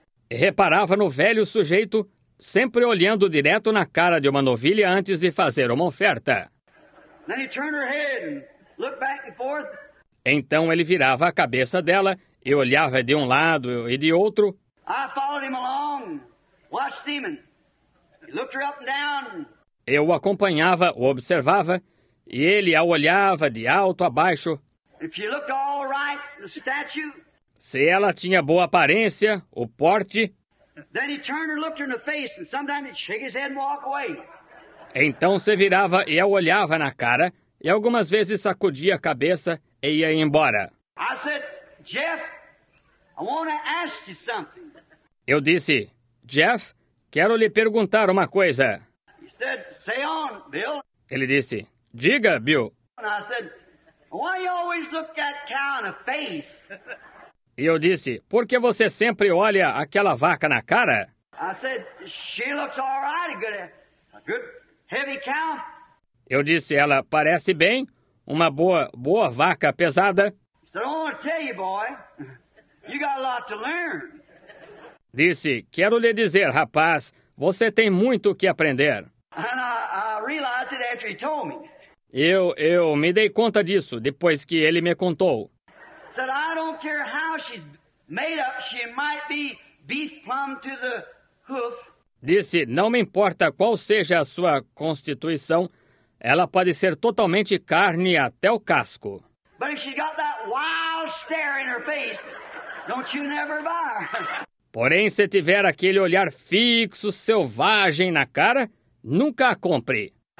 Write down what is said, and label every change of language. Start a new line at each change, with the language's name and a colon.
Portuguese: Reparava no velho sujeito sempre olhando direto na cara de uma novilha antes de fazer uma oferta.
English: Then he turned her head and looked back and forth.
Portuguese: Então ele virava a cabeça dela e olhava de um lado e de outro.
English: I followed him along, watched him, and looked her up and down.
Portuguese: Eu o acompanhava, o observava, e ele a olhava de alto a baixo.
English: If she looked all right, the statue,
Portuguese: se ela tinha boa aparência, o porte,
English: then he turned and looked her in the face, and sometimes he'd shake his head and walk away.
Portuguese: Então se virava e a olhava na cara, e algumas vezes sacudia a cabeça e ia embora.
English: I said, Jeff, I wanna ask you something.
Portuguese: Eu disse, Jeff, quero lhe perguntar uma coisa.
English: He said, say on, Bill.
Portuguese: Ele disse, diga, Bill.
English: I said, why you always look that cow in the face?
Portuguese: E eu disse, por que você sempre olha aquela vaca na cara?
English: I said, she looks all right, a good heavy cow.
Portuguese: Eu disse, ela parece bem, uma boa vaca pesada.
English: So I want to tell you, boy, you got a lot to learn.
Portuguese: Disse, quero lhe dizer, rapaz, você tem muito o que aprender.
English: And I realized it after he told me.
Portuguese: Eu me dei conta disso depois que ele me contou.
English: Said, I don't care how she's made up, she might be beef plum to the hoof.
Portuguese: Disse, não me importa qual seja a sua constituição, ela pode ser totalmente carne até o casco.
English: But if she's got that wild stare in her face, don't you never buy.
Portuguese: Porém, se tiver aquele olhar fixo, selvagem na cara, nunca a compre.